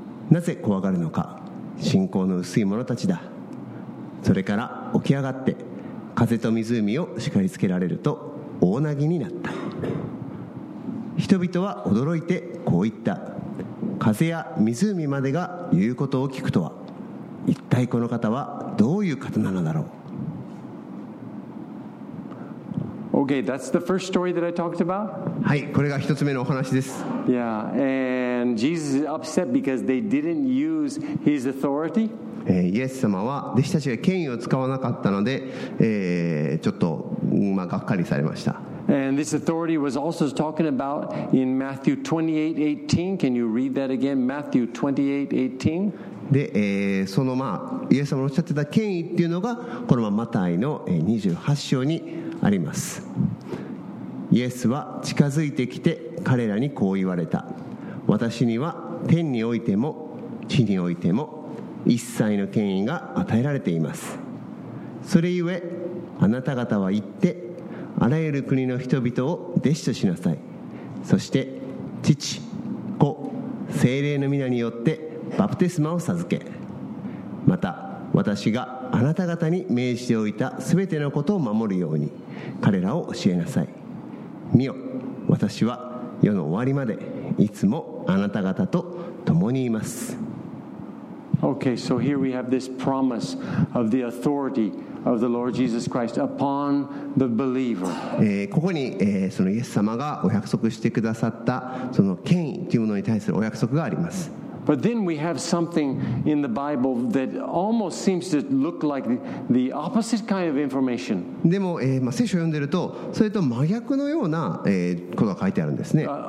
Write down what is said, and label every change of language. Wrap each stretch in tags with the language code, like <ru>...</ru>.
<ja>なぜ怖がるのか、信仰の薄い者たちだ。それから起き上がって風と湖を叱りつけられると大波になった。人々は驚いてこう言った。風や湖までが言うことを聞くとは、一体この方はどういう方なのだろう。</ja> <en>Okay, that's the first story that I talked about.</en> <ja>はい、これが一つ目のお話です。</ja> <en>Yeah, and Jesus is upset because they didn't use his authority.</en> <ja>イエス様は弟子たちが権威を使わなかったので、ちょっと、まあ、がっかりされました。</ja> <en>And this authority was also talking about in Matthew 28:18. Can you read that again? Matthew 28:18.</en> <ja>で、そのまあイエス様のおっしゃってた権威っていうのがこのまあマタイの28章にあります。イエスは近づいてきて彼らにこう言われた。私には天においても地においても一切の権威が与えられています。それゆえあなた方は行ってあらゆる国の人々を弟子としなさい。そして父子聖霊の皆によってバプテスマを授け、また私があなた方に命じておいたすべてのことを守るように彼らを教えなさい。見よ、私は世の終わりまでいつもあなた方と共にいます。</ja> <en>Okay, so here we have this promise of the authority of the Lord Jesus Christ upon the believer.</en> <ja>ここに、そのイエス様がお約束してくださったその権威というものに対するお約束があります。</ja> <en>But then we have something in the Bible that almost seems to look like the opposite kind of information.</en> <ja>でも、聖書を読んでいるとそれと真逆のような、ことが書いてあるんですね。</ja>